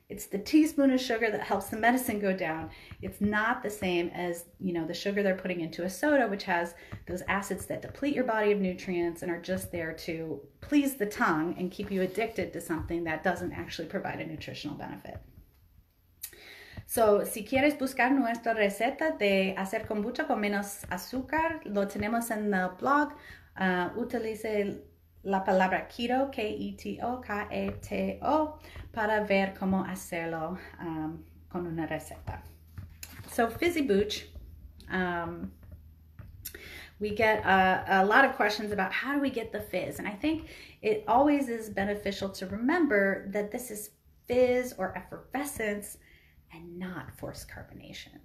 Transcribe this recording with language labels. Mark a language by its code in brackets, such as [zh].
[en] It's the teaspoon of sugar that helps the medicine go down. It's not the same as, you know, the sugar they're putting into a soda, which has those acids that deplete your body of nutrients and are just there to please the tongue and keep you addicted to something that doesn't actually provide a nutritional benefit. [es] So, si quieres buscar nuestra receta de hacer kombucha con menos azúcar, lo tenemos en el blog. Utilice la palabra keto, K-E-T-O-K-E-T-O, para ver cómo hacerlo con una receta. [en] So, Fizzy Booch, we get a lot of questions about how do we get the fizz. And I think it always is beneficial to remember that this is fizz or effervescence and not forced carbonation.